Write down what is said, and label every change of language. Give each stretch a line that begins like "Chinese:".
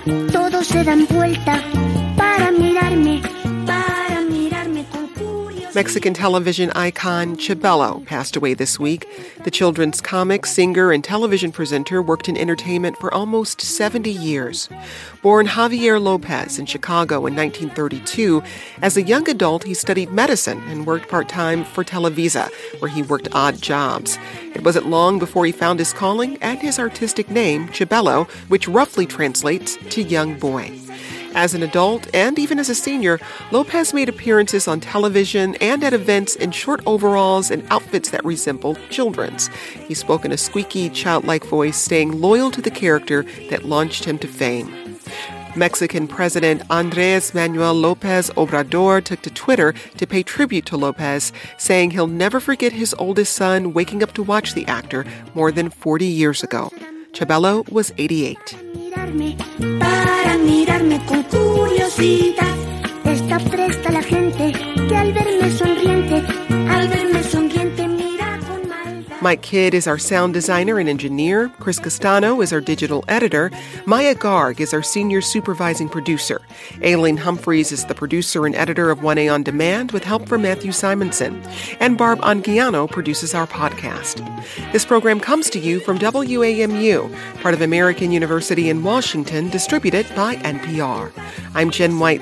Spanish: Todos se dan vuelta para mirarme, para mirarme con curiosidad.
English: Mexican television icon Chabelo passed away this week. The children's comic, singer, and television presenter worked in entertainment for almost 70 years. Born Javier Lopez in Chicago in 1932, as a young adult, he studied medicine and worked part-time for Televisa, where he worked odd jobs. It wasn't long before he found his calling and his artistic name, Chabelo, which roughly translates to young boy. As an adult and even as a senior, Lopez made appearances on television and at events in short overalls and outfits that resembled children's. He spoke in a squeaky, childlike voice, staying loyal to the character that launched him to fame. Mexican President Andrés Manuel López Obrador took to Twitter to pay tribute to Lopez, saying he'll never forget his oldest son waking up to watch the actor more than 40 years ago. Chabelo was 88.
Spanish: Para mirarme con curiosidad, está presta la gente que al verme sonriente, al verme sonriente mira con maldad.
English: Mike Kidd is our sound designer and engineer. Chris Castano is our digital editor. Maya Garg is our senior supervising producer. Aileen Humphreys is the producer and editor of 1A On Demand with help from Matthew Simonson. And Barb Anguiano produces our podcast. This program comes to you from WAMU, part of American University in Washington, distributed by NPR. I'm Jen White.